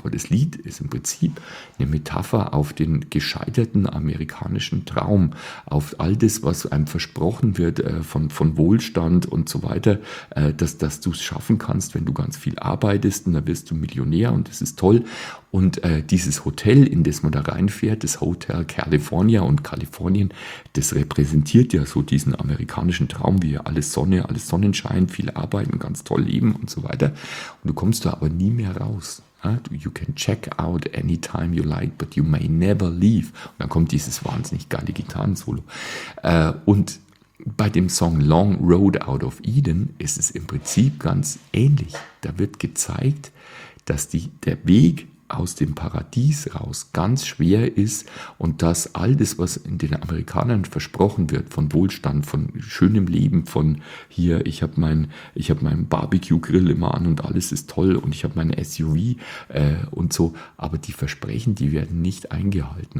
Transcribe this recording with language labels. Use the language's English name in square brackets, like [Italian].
[German] Aber das Lied ist im Prinzip eine Metapher auf den gescheiterten amerikanischen Traum, auf all das, was einem versprochen wird von Wohlstand und so weiter, dass du es schaffen kannst, wenn du ganz viel arbeitest und dann wirst du Millionär und das ist toll. Und dieses Hotel, in das man da reinfährt, das Hotel California und Kalifornien, das repräsentiert ja so diesen amerikanischen Traum, wie alles Sonne, alles Sonnenschein, viel arbeiten, ganz toll leben und so weiter. Und du kommst da aber nie mehr raus. [English] You can check out anytime you like, but you may never leave. [German] Und dann kommt dieses wahnsinnig geile Gitarren-Solo. Und bei dem Song Long Road Out of Eden ist es im Prinzip ganz ähnlich. Da wird gezeigt, dass der Weg aus dem Paradies raus ganz schwer ist und dass all das, was in den Amerikanern versprochen wird, von Wohlstand, von schönem Leben, von hier, ich habe meinen Barbecue-Grill immer an und alles ist toll und ich habe meinen SUV und so, aber die Versprechen, die werden nicht eingehalten.